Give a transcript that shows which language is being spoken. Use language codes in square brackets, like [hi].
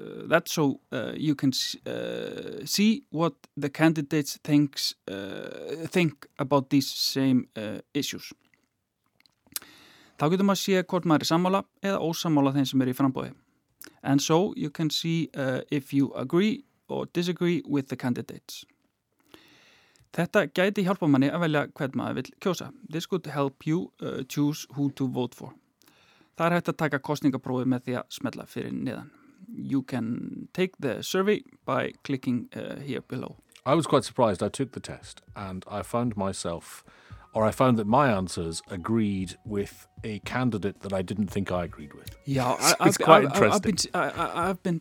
[en] That's so you can see what the candidates think about these same issues. [is] Þá getur maður séð hvort maður sammála eða ósammála þeim sem eru í framboði. [en] And so you can see if you agree or disagree with the candidates. [is] Þetta gæti hjálpa manni að velja hvern maður vill kjósa. [en] This could help you choose who to vote for. [is] Það hægt að taka kosningaprófið með því að smella fyrir neðan. [en] You can take the survey by clicking here below. I was quite surprised. I took the test and I found that my answers agreed with a candidate that I didn't think I agreed with. Yeah, I've been